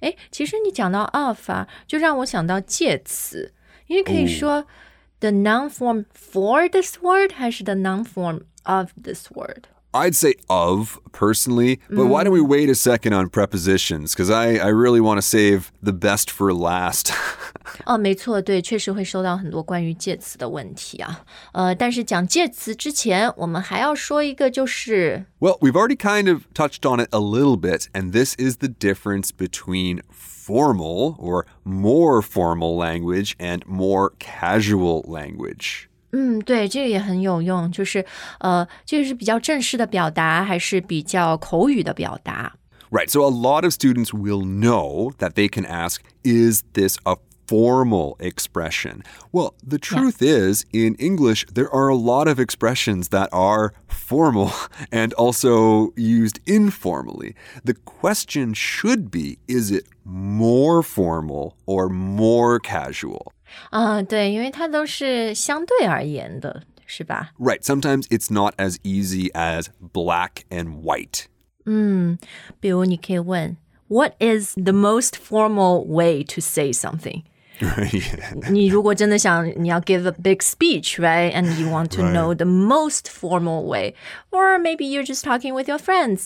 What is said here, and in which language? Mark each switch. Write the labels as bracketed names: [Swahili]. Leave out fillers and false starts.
[Chinese] 其实你讲到 of 啊就让我想到介词因为可以说、oh. [English] The noun form for this word [Chinese] 还是 [English] the noun form of this word? I'd say of, personally. But why don't we wait a second on prepositions? Because I really want to save the best for last. [Chinese] 没错，对，确实会收到很多关于介词的问题啊。但是讲介词之前，我们还要说一个就是 [English] Well, we've already kind of touched on it a little bit, and this is the difference between formal or more formal language and more casual language. [Chinese] 对，这个也很有用，就是这个是比较正式的表达，还是比较口语的表达 [English] Right, so a lot of students will know that they can ask, is this a formal expression. Well, the truth is, in English, there are a lot of expressions that are formal and also used informally. The question should be, is it more formal or more casual? [Chinese] 对，因为它都是相对而言的，是吧？ [English] Right, sometimes it's not as easy as black and white. [Chinese] 比如你可以问 [English] What is the most formal way to say something? Right. [Chinese] 你如果真的想你要 [English] give a big speech, right? And you want to know the most formal way. Or maybe you're just talking with your friends.